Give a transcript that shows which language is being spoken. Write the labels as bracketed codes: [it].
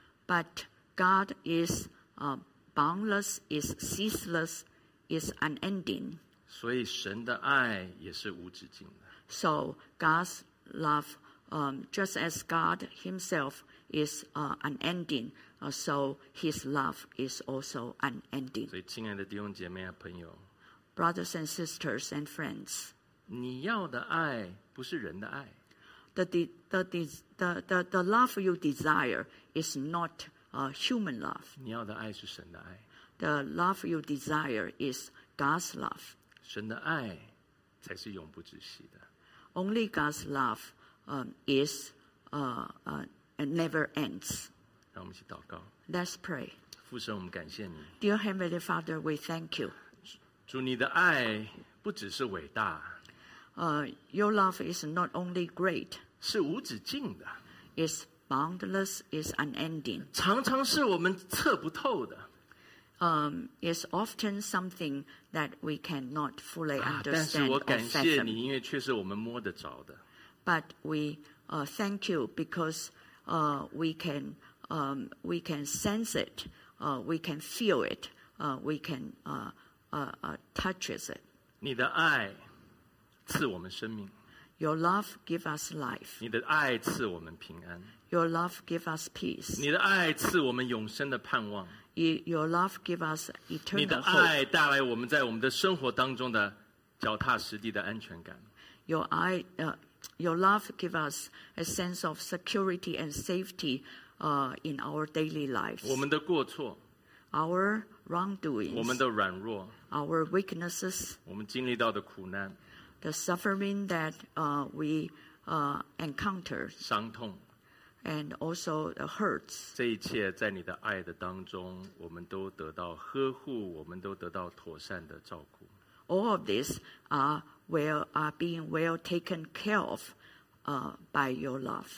[en] But God is boundless, is ceaseless, is unending. [zh] 所以神的爱也是无止境的。 [en] So, God's love, just as God himself is unending,so his love is also unending. [zh] 所以亲爱的弟兄姐妹啊朋友 [en] Brothers and sisters and friends, [zh] 你要的爱不是人的爱 [en] the love you desire is not human love. [zh] 你要的爱是神的爱 [en] The love you desire is God's love. [zh] 神的爱才是永不止息的 [en] Only God's love is never ends. [zh] 让我们一起祷告。 [en] Let's pray. [zh] 父神，我们感谢你。 [en] Dear Heavenly Father, we thank you. [zh] 主，你的爱不只是伟大。 [en] Your love is not only great. [zh] 是无止境的。 [en] It's boundless. It's unending. [zh] 常常是我们测不透的。 [en] It's often something that we cannot fully understand. [zh] 但是我感谢你，因为却是我们摸得着的。 [en] But we thank you because we can. We can sense it, we can feel it, we can touches it. [zh] 你的爱赐我们生命。 [en] Your love give us life. [zh] 你的爱赐我们平安。 [en] Your love give us peace. [zh] 你的爱赐我们永生的盼望。 [en] Your love give us eternal hope. [zh] 你的爱带来我们在我们的生活当中的脚踏实地的安全感。 [en] Your love give us a sense of security and safety. In our daily lives, [zh] 我们的过错 [en] our wrongdoings, [zh] 我们的软弱 [en] our weaknesses, [zh] 我们经历到的苦难 [en] the suffering that we encounter, [zh] 伤痛 [en] and also the hurts. [zh] 这一切在你的爱的当中，我们都得到呵护，我们都得到妥善的照顾 [en] All of this are being well taken care of by your love.